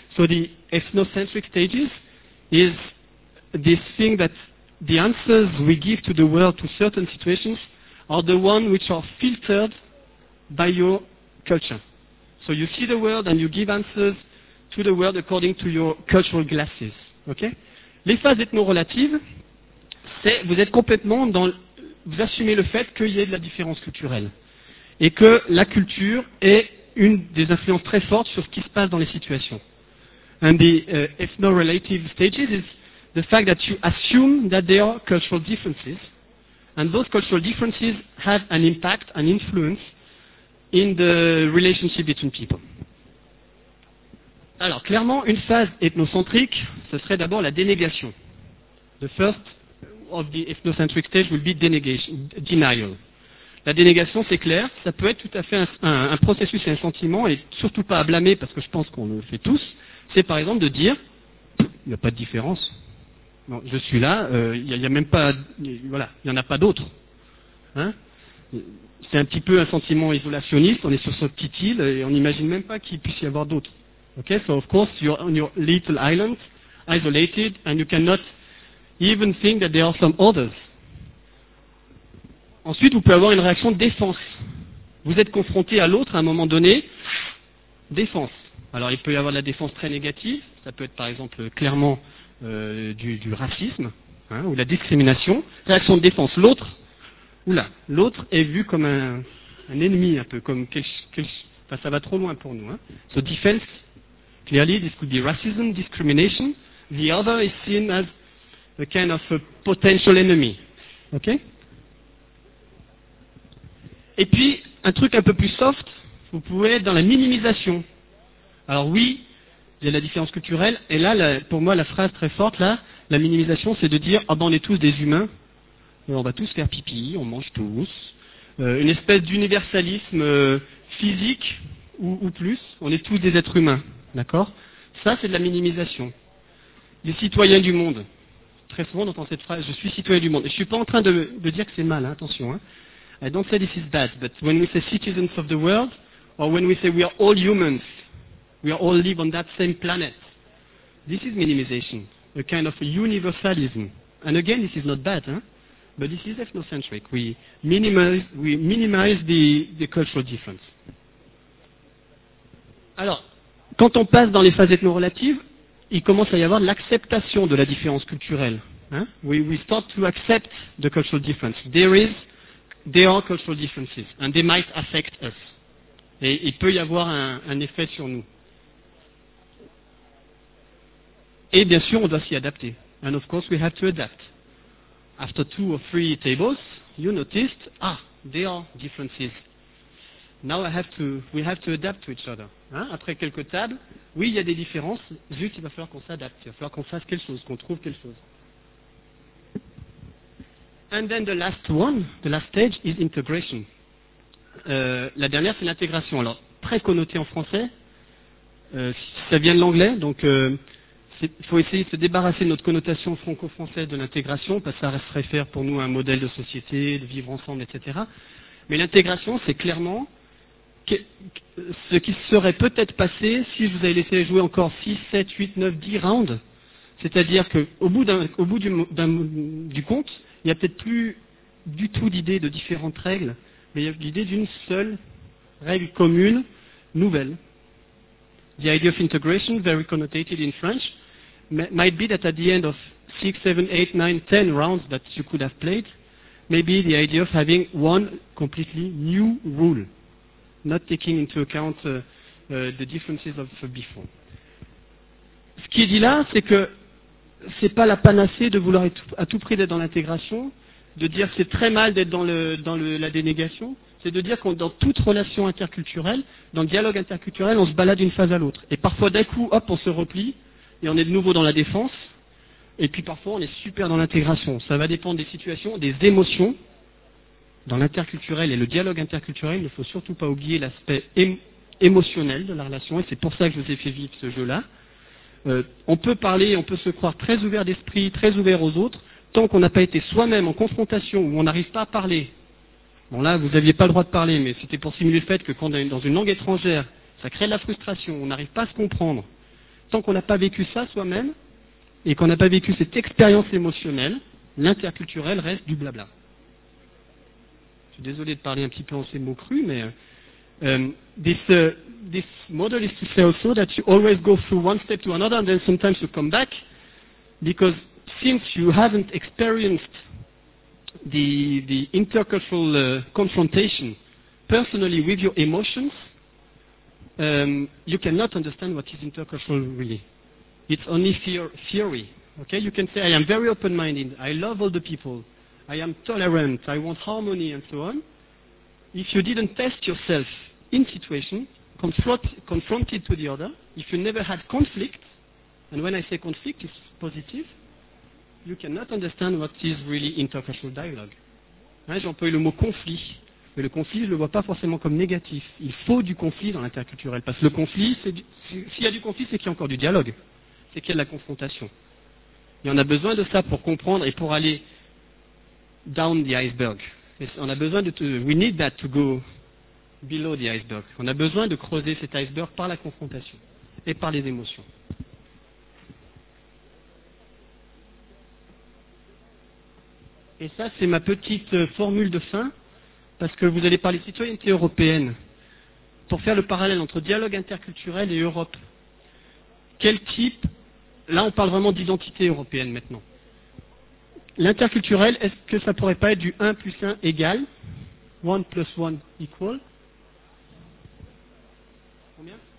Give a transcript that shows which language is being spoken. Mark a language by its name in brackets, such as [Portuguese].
[English] So the ethnocentric stages is this thing that the answers we give to the world to certain situations are the ones which are filtered by your culture. So you see the world and you give answers to the world according to your cultural glasses. Okay? [French] Les phases ethno-relatives, c'est vous êtes complètement dans, vous assumez le fait qu'il y ait de la différence culturelle et que la culture est une des influences très fortes sur ce qui se passe dans les situations. [English] And the ethno-relative stages is the fact that you assume that there are cultural differences, and those cultural differences have an impact, an influence, in the relationship between people. [French] Alors, clairement, une phase ethnocentrique, ce serait d'abord la dénégation. [English] The first of the ethnocentric stage will be denial. [French] La dénégation, c'est clair, ça peut être tout à fait un processus et un sentiment, et surtout pas à blâmer, parce que je pense qu'on le fait tous, c'est par exemple de dire, il n'y a pas de différence. Non, je suis là, il n'y en a pas d'autres. Hein? C'est un petit peu un sentiment isolationniste, on est sur sa petite île, et on n'imagine même pas qu'il puisse y avoir d'autres. [English] Okay? So of course, you're on your little island, isolated, and you cannot even think that there are some others. [French] Ensuite, vous pouvez avoir une réaction de défense. Vous êtes confronté à l'autre à un moment donné. Défense. Alors il peut y avoir de la défense très négative, ça peut être par exemple clairement du racisme, hein, ou la discrimination. Réaction de défense, l'autre, oula, l'autre est vu comme un ennemi, un peu comme enfin, ça va trop loin pour nous. Hein. [English] So defense, clearly, this could be racism, discrimination. The other is seen as a kind of a potential enemy. OK? [French] Et puis, un truc un peu plus soft, vous pouvez être dans la minimisation. Alors oui, il y a la différence culturelle, et là, pour moi, la phrase très forte, là, la minimisation, c'est de dire, oh, ben, on est tous des humains, et on va tous faire pipi, on mange tous. Une espèce d'universalisme physique, ou plus, on est tous des êtres humains, d'accord? Ça, c'est de la minimisation. Les citoyens du monde, très souvent, on entend cette phrase, je suis citoyen du monde. Et je ne suis pas en train de dire que c'est mal, hein, attention. Hein. [English] I don't say this is bad, but when we say citizens of the world, or when we say we are all humans, we all live on that same planet. This is minimization, a kind of universalism. And again, this is not bad, hein? But this is ethnocentric. We minimize the cultural difference. [French] Alors, quand on passe dans les phases ethno-relatives, il commence à y avoir l'acceptation de la différence culturelle. [English] Hein? We start to accept the cultural difference. There are cultural differences, and they might affect us. [French] Et il peut y avoir un effet sur nous. Et bien sûr, on doit s'y adapter. [English] And of course, we have to adapt. After two or three tables, you noticed, there are differences. Now we have to adapt to each other. Hein? [French] Après quelques tables, oui, il y a des différences. Zut, il va falloir qu'on s'adapte. Il va falloir qu'on fasse quelque chose, qu'on trouve quelque chose. [English] And then the last one, the last stage, is integration. [French] La dernière, c'est l'intégration. Alors, très connotée en français. Ça vient de l'anglais, donc... Il faut essayer de se débarrasser de notre connotation franco-française de l'intégration, parce que ça reste réfère pour nous à un modèle de société, de vivre ensemble, etc. Mais l'intégration, c'est clairement ce qui serait peut-être passé si je vous avais laissé jouer encore 6, 7, 8, 9, 10 rounds. C'est-à-dire qu'au bout, du compte, il n'y a peut-être plus du tout d'idée de différentes règles, mais il y a l'idée d'une seule règle commune, nouvelle. The idea of integration, very connotated in French, might be that at the end of 6, 7, 8, 9, 10 rounds that you could have played, maybe the idea of having one completely new rule, not taking into account the differences of before. Ce qui est dit là, c'est que ce n'est pas la panacée de vouloir à tout prix d'être dans l'intégration, de dire que c'est très mal d'être dans la dénégation. C'est de dire que dans toute relation interculturelle, dans le dialogue interculturel, on se balade d'une phase à l'autre. Et parfois, d'un coup, hop, on se replie, et on est de nouveau dans la défense. Et puis parfois, on est super dans l'intégration. Ça va dépendre des situations, des émotions. Dans l'interculturel et le dialogue interculturel, il ne faut surtout pas oublier l'aspect émotionnel de la relation, et c'est pour ça que je vous ai fait vivre ce jeu-là. On peut parler, on peut se croire très ouvert d'esprit, très ouvert aux autres, tant qu'on n'a pas été soi-même en confrontation, où on n'arrive pas à parler. Bon là, vous n'aviez pas le droit de parler, mais c'était pour simuler le fait que quand on est dans une langue étrangère, ça crée de la frustration, on n'arrive pas à se comprendre. Tant qu'on n'a pas vécu ça soi-même, et qu'on n'a pas vécu cette expérience émotionnelle, l'interculturel reste du blabla. Je suis désolé de parler un petit peu en ces mots crus, mais... [English] This model is to say also that you always go through one step to another, and then sometimes you come back, because since you haven't experienced the intercultural confrontation personally with your emotions, you cannot understand what is intercultural really. It's only theory. Okay? You can say, I am very open-minded, I love all the people, I am tolerant, I want harmony, and so on. If you didn't test yourself in situation, confronted to the other, if you never had conflict, and when I say conflict, it's positive, you cannot understand what is really intercultural dialogue. [French] Hein, j'ai employé le mot conflit, mais le conflit, je ne le vois pas forcément comme négatif. Il faut du conflit dans l'interculturel, parce que le conflit, s'il y a du conflit, c'est qu'il y a encore du dialogue, c'est qu'il y a de la confrontation. Et on a besoin de ça pour comprendre et pour aller [English] down the iceberg. [French] Et on a besoin de... [English] we need that to go below the iceberg. [French] On a besoin de creuser cet iceberg par la confrontation et par les émotions. Et ça, c'est ma petite formule de fin, parce que vous allez parler citoyenneté européenne. pour faire le parallèle entre dialogue interculturel et Europe, quel type, là on parle vraiment d'identité européenne maintenant, l'interculturel, est-ce que ça pourrait pas être du 1 plus 1 égal, [English] 1 plus 1 equal, [French] combien